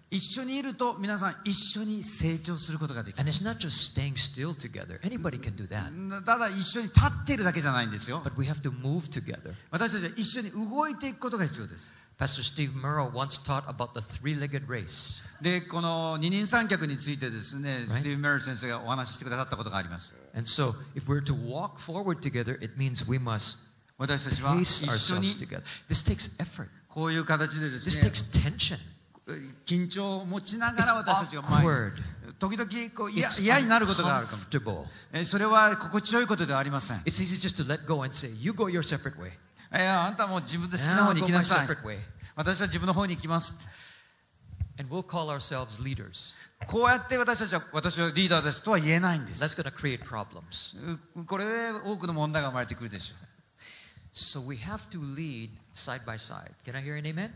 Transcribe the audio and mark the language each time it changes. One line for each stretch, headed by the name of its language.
Japanese: 一緒にいると皆さん一緒に成長することができる。
English: And it's not just staying still together. Anybody can do that.
Japanese: ただ一緒に立っているだけじゃないんですよ。
English: But we have to move together.
Japanese: 私たちは一緒に動いていくことが必要です。
English: Pastor Steve Murrow once taught about the three-legged race.
Japanese: で、この二人三脚についてですね、right? スティーブ・メロー先生がお話ししてくださったことがあります。
English: And so, if we're to walk forward together, it means we must
Japanese: 私たちは一緒に、
English: This takes effort.
Japanese: こういう形でですね、
English: This takes tension.
Japanese: 緊張を持ちながら私たちが前に、時々こう嫌になることがあるかも。それは心地よいことではありません。
English: It's easy just to let go and say, you go your separate way.
Japanese: いや、あんたも自分で好きな方に行きなさい。私は自分の方に行きます。
English: And we'll call ourselves leaders.
Japanese: こうやって私たちは、私はリーダーですとは言えないんです。
English: That's going to create problems.
Japanese: これで多くの問題が生まれてくるでしょう。
English: So we have to lead side by side. Can I hear an amen?